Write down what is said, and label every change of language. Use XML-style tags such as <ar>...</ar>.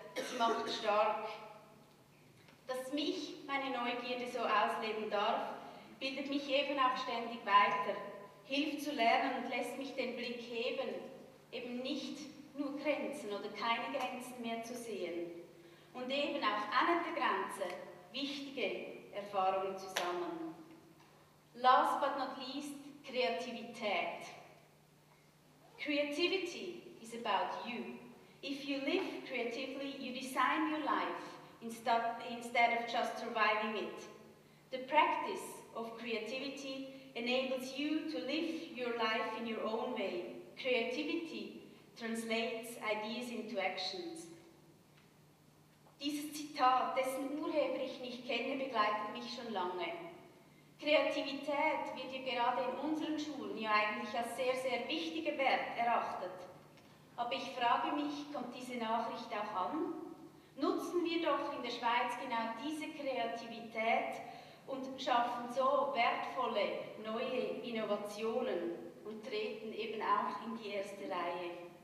<de>Sie macht stark. Dass mich meine Neugierde so ausleben darf, bildet mich eben auch ständig weiter. Hilft zu lernen und lässt mich den Blick heben, eben nicht nur Grenzen oder keine Grenzen mehr zu sehen. Und eben auch an der Grenze wichtige Erfahrungen zu sammeln.</de> <en>Last but not least, Kreativität. Creativity is about you. If you live creatively, you design your life instead of just surviving it. The practice of creativity enables you to live your life in your own way. Creativity translates ideas into actions.</en> <de>Dieses Zitat, dessen Urheber ich nicht kenne, begleitet mich schon lange. Kreativität wird ja gerade in unseren Schulen ja eigentlich als sehr, sehr wichtiger Wert erachtet. Aber ich frage mich, kommt diese Nachricht auch an? Nutzen wir doch in der Schweiz genau diese Kreativität und schaffen so wertvolle neue Innovationen und treten eben auch in die erste Reihe.</de>